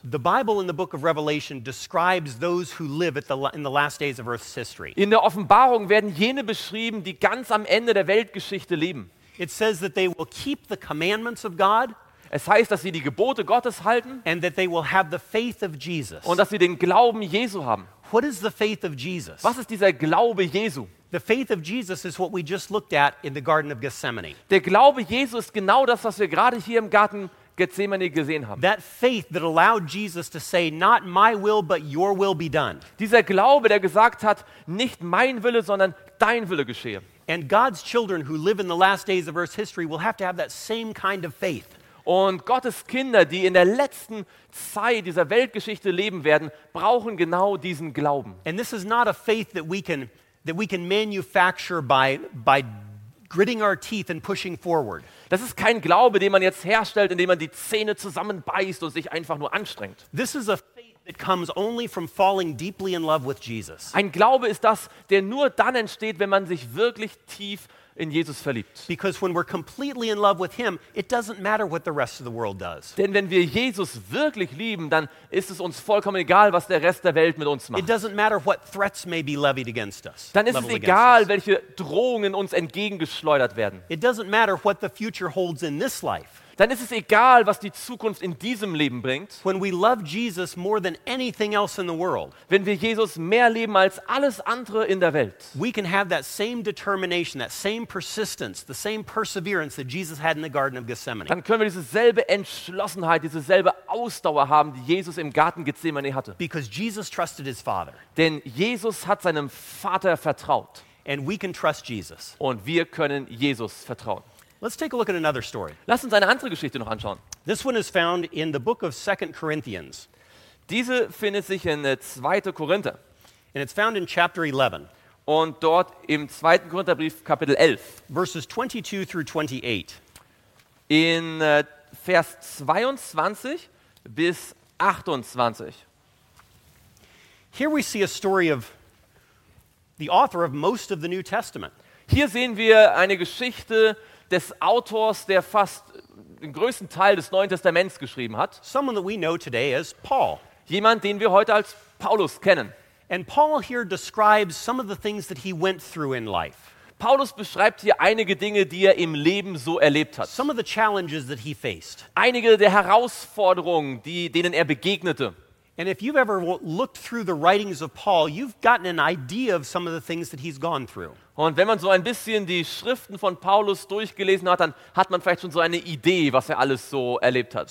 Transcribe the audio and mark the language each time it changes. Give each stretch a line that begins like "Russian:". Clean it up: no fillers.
English: The Bible in the book of Revelation describes those who live in the last days of Earth's history.
German: In der Offenbarung werden jene beschrieben, die ganz am Ende der Weltgeschichte leben.
English: It says that they will keep the commandments of God.
German: Es heißt, dass sie die Gebote Gottes halten
English: and that they will have the faith of Jesus.
German: Und dass sie den Glauben Jesu haben.
English: What is the faith of Jesus?
German: Was ist dieser Glaube Jesu?
English: The faith of Jesus is what we just looked at in the Garden of Gethsemane.
German: Der Glaube Jesu ist genau das, was wir gerade hier im Garten Gethsemane gesehen haben.
English: That faith that allowed Jesus to say, not my will, but your will be done.
German: Dieser Glaube, der gesagt hat, nicht mein Wille, sondern dein Wille geschehe.
English: And God's children who live in the last days of Earth's history will have to have that same kind of faith.
German: Und Gottes Kinder, die in der letzten Zeit dieser Weltgeschichte leben werden, brauchen genau diesen Glauben.
English: And this is not a faith that we can manufacture by gritting our teeth and pushing forward.
German: Das ist kein Glaube, den man jetzt herstellt, indem man die Zähne zusammenbeißt und sich einfach nur anstrengt.
English: This is a faith that comes only from falling deeply in love with Jesus.
German: Ein Glaube ist das, der nur dann entsteht, wenn man sich wirklich tief in Jesus verliebt.
English: Because when we're completely in love with him, it doesn't matter what the rest of the world does.
German: Denn wenn wir Jesus wirklich lieben, dann ist es uns vollkommen egal, was der Rest der Welt mit uns macht.
English: It doesn't matter what threats may be levied against us.
German: Dann ist es egal, welche Drohungen uns entgegengeschleudert werden.
English: It doesn't matter what the future holds in this life.
German: Dann ist es egal, was die Zukunft in diesem Leben bringt.
English: When we love Jesus more than anything else in the world,
German: wenn wir Jesus mehr lieben als alles andere in der Welt,
English: we can have that same determination, that same persistence, the same perseverance that Jesus had in the Garden of Gethsemane.
German: Dann können wir diese selbe Entschlossenheit, diese selbe Ausdauer haben, die Jesus im Garten Gethsemane hatte.
English: Because Jesus trusted his Father.
German: Denn Jesus hat seinem Vater vertraut.
English: And we can trust Jesus.
German: Und wir können Jesus vertrauen.
English: Let's take a look at another story.
German: Lass uns eine andere Geschichte noch anschauen.
English: This one is found in the book of 2 Corinthians.
German: Diese findet sich in 2. Korinther.
English: And it's found in chapter 11.
German: Und dort im 2. Korintherbrief Kapitel 11.
English: Verses 22 through 28.
German: In Vers 22 bis 28.
English: Here we see a story of the author of most of the New Testament.
German: Hier sehen wir eine Geschichte des Autors, der fast den größten Teil des Neuen Testaments geschrieben hat.
English: Someone that we know today as Paul.
German: Jemand, den wir heute als Paulus kennen.
English: And Paul here describes some of the things that he went through in life.
German: Paulus beschreibt hier einige Dinge, die er im Leben so erlebt hat.
English: Some of the challenges that he faced.
German: Einige der Herausforderungen, denen er begegnete.
English: And if you've ever looked through the writings of Paul, you've gotten an idea of some of the things that he's gone through.
German: Und wenn man so ein bisschen die Schriften von Paulus durchgelesen hat, dann hat man vielleicht schon so eine Idee, was er alles so erlebt hat.